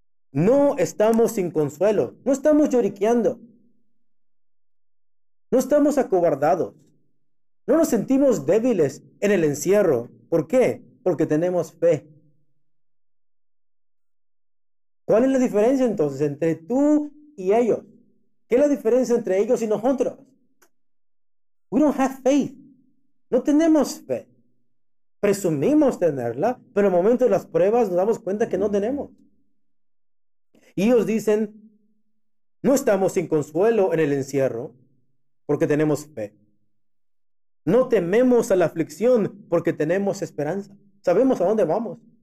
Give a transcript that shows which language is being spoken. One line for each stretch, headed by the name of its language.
Spanish: No estamos sin consuelo, no estamos lloriqueando, no estamos acobardados, no nos sentimos débiles en el encierro. ¿Por qué? Porque tenemos fe. ¿Cuál es la diferencia entonces entre tú y ellos? ¿Qué es la diferencia entre ellos y nosotros?
English: We don't have faith,
Spanish: no tenemos fe. Presumimos tenerla, pero en el momento de las pruebas nos damos cuenta que no tenemos. Y ellos dicen, no estamos sin consuelo en el encierro porque tenemos fe. No tememos a la aflicción porque tenemos esperanza. Sabemos a dónde vamos.